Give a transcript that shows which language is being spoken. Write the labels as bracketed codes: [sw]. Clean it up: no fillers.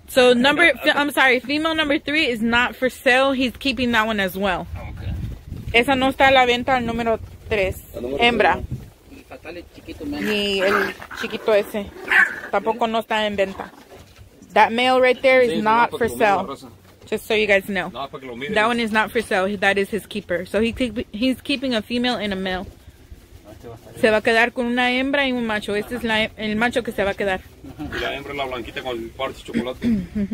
[en] So, I'm sorry, female number 3 is not for sale. He's keeping that one as well. Okay. [es] Esa no está a la venta, el número 3. Hembra. Tres. Ni el chiquito ese. Tampoco no está en venta. [en] That male right there is not for sale. Just so you guys know. That one is not for sale. That is his keeper. So he's keeping a female and a male. [es] Se va a quedar con una hembra y un macho. Este es el macho que se va a quedar. Y la hembra es la blanquita con el parche chocolate.